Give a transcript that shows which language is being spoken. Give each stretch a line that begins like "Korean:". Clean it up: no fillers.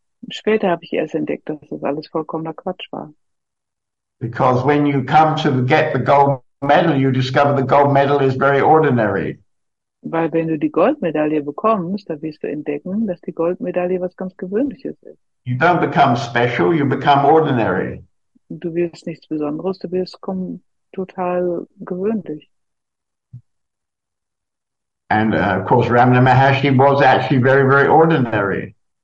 German: Später habe ich erst entdeckt, dass das alles vollkommener Quatsch war.
English: Because when you come to get the gold medal, you discover the gold medal is very ordinary.
German: Weil wenn du die Goldmedaille bekommst, dann wirst du entdecken, dass die Goldmedaille was ganz Gewöhnliches ist.
English: You don't become special, you become ordinary.
German: Du wirst nichts Besonderes, du wirst total gewöhnlich.
English: And of course Ramana Maharshi was actually very, very ordinary.